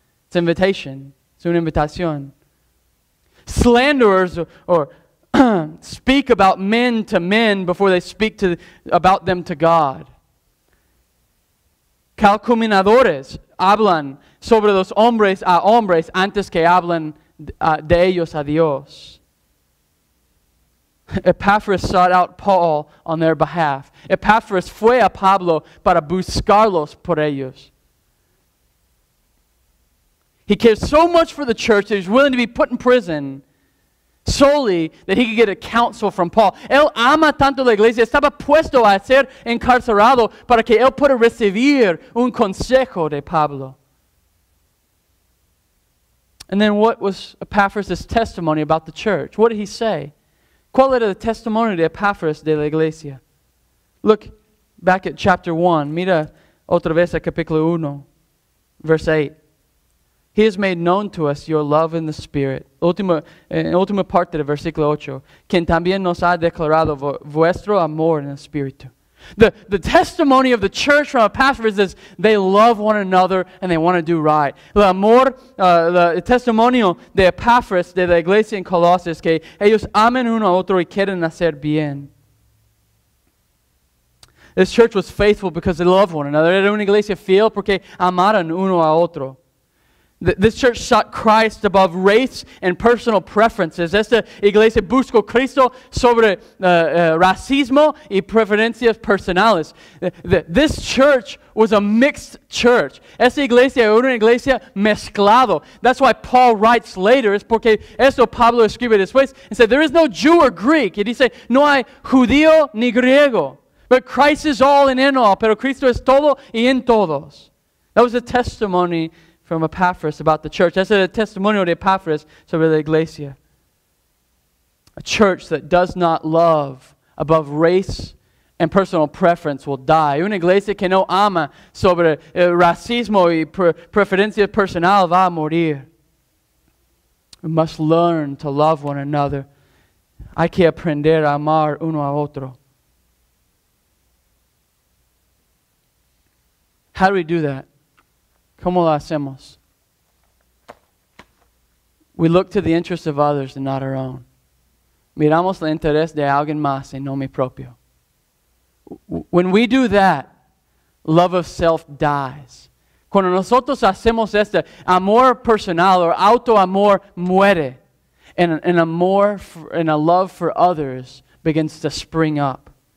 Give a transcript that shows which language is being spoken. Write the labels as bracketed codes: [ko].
[en] It's an invitation. It's [es] una invitación. [en] Slanderers or speak about men to men before they speak about them to God. [es] Calumniadores hablan sobre los hombres a hombres antes que hablan de ellos a Dios. [en] Epaphras sought out Paul on their behalf. [es] Epaphras fue a Pablo para buscarlos por ellos. [en] He cares so much for the church that he's willing to be put in prison solely that he could get a counsel from Paul. [es] Él ama tanto la iglesia, estaba puesto a ser encarcelado para que él pueda recibir un consejo de Pablo. [en] And then what was Epaphras' testimony about the church? What did he say? [es] ¿Cuál era el testimonio de Epaphras de la iglesia? [en] Look back at chapter 1. [es] Mira otra vez a capítulo 1, [en] verse 8. He has made known to us your love in the Spirit. [es] Última parte del versículo 8. Quien también nos ha declarado vuestro amor en el Espíritu. [en] The testimony of the church from Epaphras is they love one another and they want to do right. [es] El amor, el testimonio de Epaphras de la iglesia en Colosenses que ellos aman uno a otro y quieren hacer bien. [en] This church was faithful because they loved one another. [es] Era una iglesia fiel porque amaron uno a otro. [en] This church sought Christ above race and personal preferences. [es] Esta iglesia buscó Cristo sobre racismo y preferencias personales. [en] This church was a mixed church. [es] Esta iglesia era una iglesia mezclado. [en] That's why Paul writes later. [es] Es porque esto Pablo escribe después. [en] And said, there is no Jew or Greek. [es] Y dice, no hay judío ni griego. [en] But Christ is all and in all. [es] Pero Cristo es todo y en todos. [en] That was a testimony from Epaphras about the church. That's a [es] testimonio de Epaphras sobre la iglesia. [en] A church that does not love above race and personal preference will die. [es] Una iglesia que no ama sobre el racismo y preferencia personal va a morir. [en] We must learn to love one another. [es] Hay que aprender a amar uno a otro. [en] How do we do that? [es] ¿Cómo lo hacemos? [en] We look to the interests of others and not our own. [es] Miramos el interés de alguien más y no mi propio. [en] When we do that, love of self dies. [es] Cuando nosotros hacemos esto, amor personal or autoamor muere. [en] And a love for others begins to spring up.